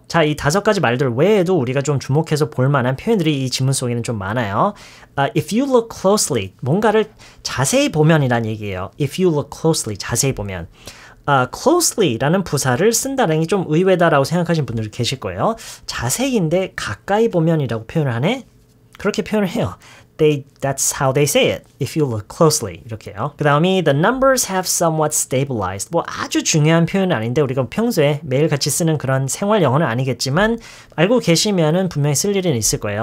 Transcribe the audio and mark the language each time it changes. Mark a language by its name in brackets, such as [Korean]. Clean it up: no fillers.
[Korean] 자, 이 다섯 가지 말들 외에도 우리가 좀 주목해서 볼 만한 표현들이 이 지문 속에는 좀 많아요. [English] If you look closely, [Korean] 뭔가를 자세히 보면이란 얘기예요. [English] If you look closely, [Korean] 자세히 보면. Closely라는 부사를 쓴다는 게 좀 의외다라고 생각하신 분들 계실 거예요. 자세히인데 가까이 보면이라고 표현을 하네? 그렇게 표현을 해요. [English] That's how they say it, if you look closely, [Korean] 이렇게요. 그 다음이 [English] the numbers have somewhat stabilized. [Korean] 뭐 아주 중요한 표현은 아닌데 우리가 평소에 매일 같이 쓰는 그런 생활 영어는 아니겠지만 알고 계시면은 분명히 쓸 일은 있을 거예요.